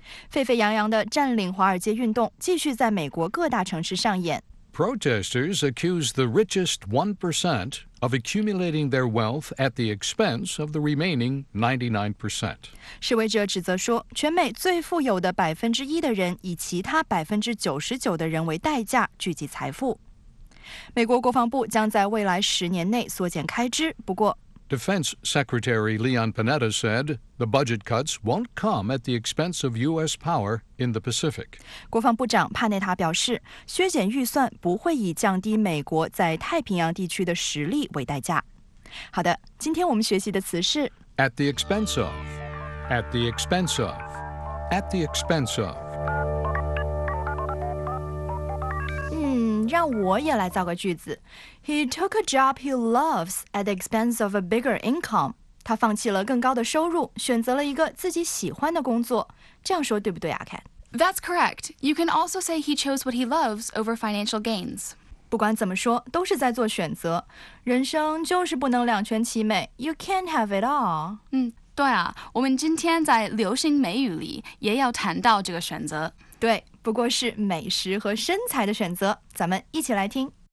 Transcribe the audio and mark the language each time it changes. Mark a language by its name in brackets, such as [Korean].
[Chinese] 沸沸扬扬的占领华尔街运动继续在美国各大城市上演。 [English] Protesters accuse the richest 1% of accumulating their wealth at the expense of the remaining 99%. [Chinese] 示威者指责说，全美最富有的1%的人以其他99%的人为代价聚集财富。美国国防部将在未来十年内缩减开支，不过 [English] Defense Secretary Leon Panetta said the budget cuts won't come at the expense of U.S. power in the Pacific. [Chinese] 国防部长帕内塔表示，削减预算不会以降低美国在太平洋地区的实力为代价。好的，今天我们学习的词是 [English] at the expense of, at the expense of, at the expense of. [Chinese] 让我也来造个句子。 [English] He took a job he loves at the expense of a bigger income. [Chinese] 他放弃了更高的收入，选择了一个自己喜欢的工作。这样说对不对啊 ，Kat? [English] That's correct. You can also say he chose what he loves over financial gains. [Chinese] 不管怎么说，都是在做选择。人生就是不能两全其美。 [English] You can't have it all. [Chinese] 对啊，我们今天在流行美语里也要谈到这个选择。对，不过是美食和身材的选择，咱们一起来听。